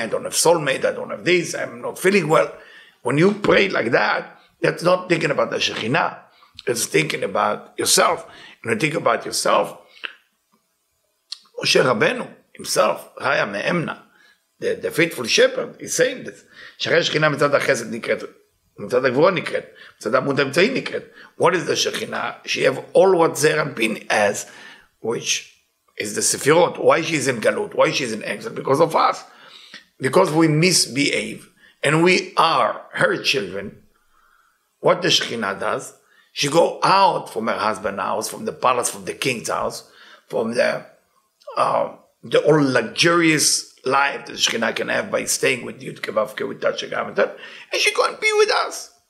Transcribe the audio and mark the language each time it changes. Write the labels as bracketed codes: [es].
[en] I don't have soulmate. I don't have this. I'm not feeling well. When you pray like that, that's not thinking about the Shekhinah. It's thinking about yourself. When you think about yourself, משה רבנו, himself, ראה מאמנה, the faithful shepherd, is saying this. [he] שכן שכינה מצד החסד נקראת מצד הגבורה נקראת, מצד עמוד האמצעי נקראת. [en] What is the Shekhinah? She have all what Zer and Pin has, which is the Sefirot. Why she is in Galut? Why she is in exile? Because of us. Because we misbehave and we are her children. What the Shekhinah does? She go out from her husband's house, from the palace, from the king's house, from the all luxurious life that Shekhinah can have by staying with Yudke Vavke, with Tashke Gavke, and she can't be with us.